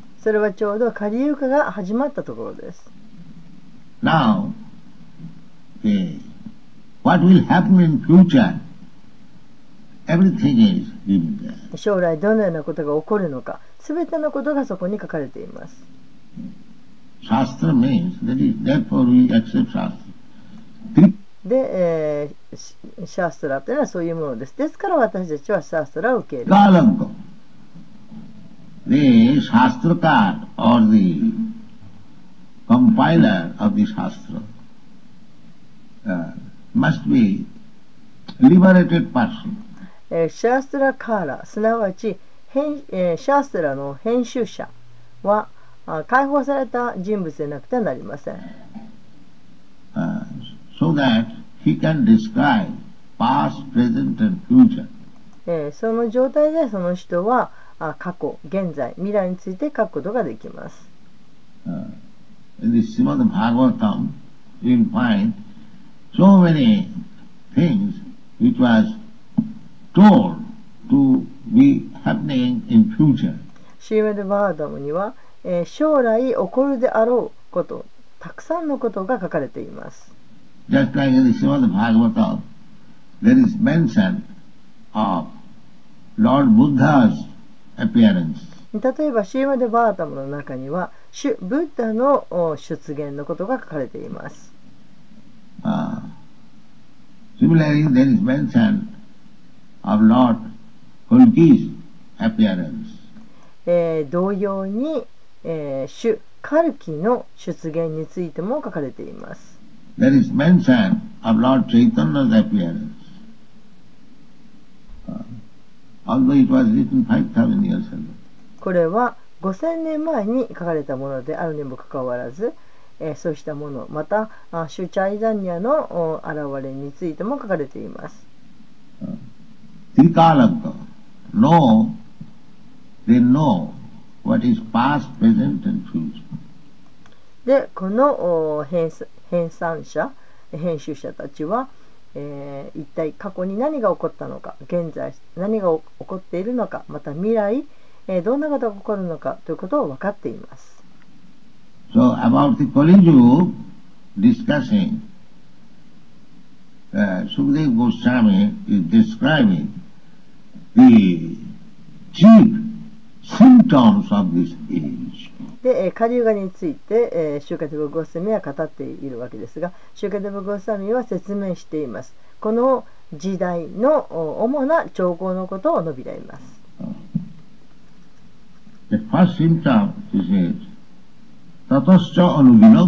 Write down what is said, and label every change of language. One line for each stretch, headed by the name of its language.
Japanese: それはちょうどカリユーカが始まったところです。
English: Now, what will happen in future? Everything is given there.
Japanese: 将来どのようなことが起こるのか、すべてのことがそこに書かれています。
English: Shastra means that is therefore we accept shastra.
Japanese: で、シャストラというのはそういうものです。ですから私たちはシャストラを受ける。
English: ガーランコ。The Shastrakar or the compiler of the Shastra must be liberated person.
Japanese: シャストラカーラ、すなわち、シャストラの編集者は解放された人物でなくてはなりません。
English: So that he can describe past, present and future.
Japanese: その状態でその人は過去、現在、未来について書くことができます。
English: In the Srimad Bhagavatam, you will find so many things which was told to be happening in future.
Japanese: Srimad Bhagavatam には、将来起こるであろうこと、たくさんのことが書かれています。
English: Just like in the Srimad Bhagavatam, there is mention of Lord Buddha's appearance.
Japanese: 例えば、シーマデバータムの中には、ブッダの出現のことが書かれています。
English: Similarly, there is mention of Lord Kulki's appearance.
Japanese: 同様に、シュ・カルキの出現についても書かれています。
English: There is mention of Lord Chaitanya's appearance. Although it was written 5000 years ago.
Japanese: これは5000年前に書かれたものであるにもかかわらず、そうしたもの、また、シュチャイダニアの現れについても書かれています。
Sanskrit: Trikalanka.
English: No, they know what is past, present and future.
Japanese: で、この編纂者、編集者たちは、一体過去に何が起こったのか、現在何が起こっているのか、また未来、どんなことが起こるのかということを分かっています。
English: So about the Kali Yuga discussing, Sukadeva Goswami is describing the chief symptoms of this age.
Japanese: で、カリユガについて、シュカデブゴスミは語っているわけですが、シュカデブゴスミは説明しています。この時代の主な兆候のことを述べています。
English: The first symptom is タトスチョアヌビノ